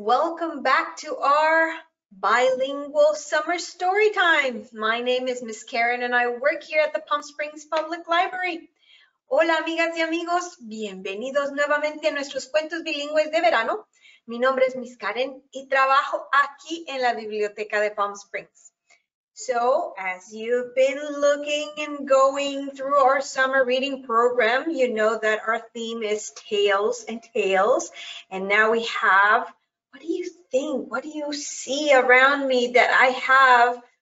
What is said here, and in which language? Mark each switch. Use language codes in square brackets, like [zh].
[en] Welcome back to our bilingual summer story time. My name is Miss Karen and I work here at the Palm Springs Public Library. [es] Hola, amigas y amigos. Bienvenidos nuevamente a nuestros cuentos bilingües de verano. Mi nombre es Miss Karen y trabajo aquí en la biblioteca de Palm Springs. [en] So, as you've been looking and going through our summer reading program, you know that our theme is tales and tales. And now we have, what do you think? What do you see around me that I have?